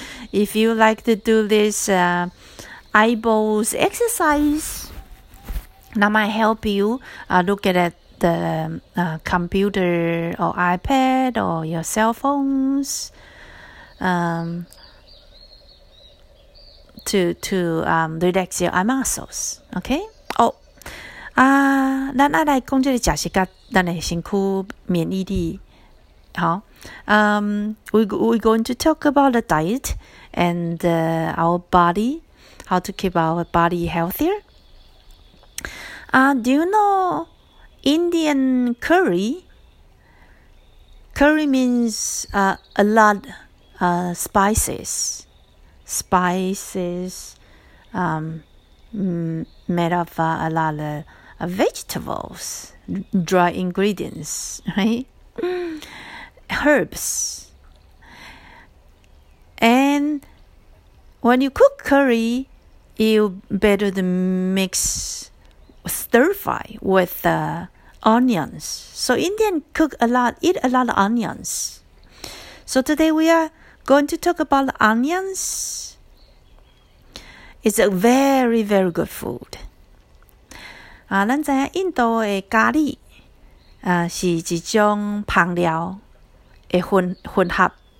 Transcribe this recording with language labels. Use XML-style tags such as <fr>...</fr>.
<en>If you like to do this eyeballs exercise, that might help you look at it. The computer or iPad or your cell phones to relax your eye muscles. Okay?</en> <nan>Oh, 咱来讲这个假设跟咱的身躯免疫力。</nan> <en>好，we're going to talk about the diet and our body, how to keep our body healthier. Do you know? Indian curry. Curry means a lot spices. Spices made of a lot of vegetables, dry ingredients, right? Herbs. And when you cook curry, you better mix stir fry with the onions. So Indian eat a lot of onions. So today we are going to talk about onions. It's a very, very good food.</en> <nan>咱知影印度的咖喱，是一种烹料的混合。</nan>